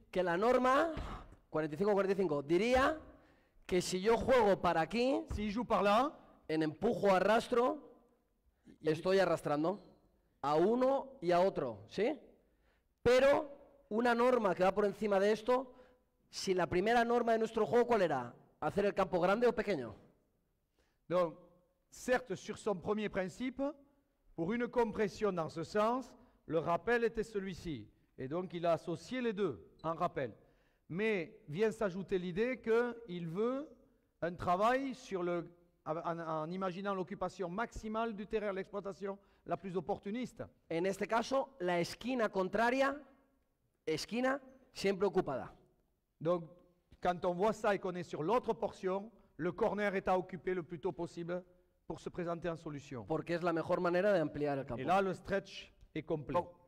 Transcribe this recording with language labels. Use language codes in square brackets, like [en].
[es] Que la norma, 45-45, diría que si yo juego para aquí, si yo para là, en empujo arrastro, estoy arrastrando a uno y a otro, ¿sí? Pero una norma que va por encima de esto. Si la primera norma de nuestro juego, ¿cuál era? ¿Hacer el campo grande o pequeño? [fr] Donc, certes, sur son premier principe, pour une compression dans ce sens, le rappel était celui-ci. Et donc, il a associé les deux en rappel. Mais vient s'ajouter l'idée qu'il veut un travail sur en imaginant l'occupation maximale du terrain, l'exploitation la plus opportuniste. [es] En este caso, la esquina contraria, esquina siempre ocupada. [fr] Donc, quand on voit ça et qu'on est sur l'autre portion, le corner est à occuper le plus tôt possible pour se présenter en solution. [es] Porque es la mejor manera de ampliar el campo. [fr] Et là, le stretch est complet. Bon.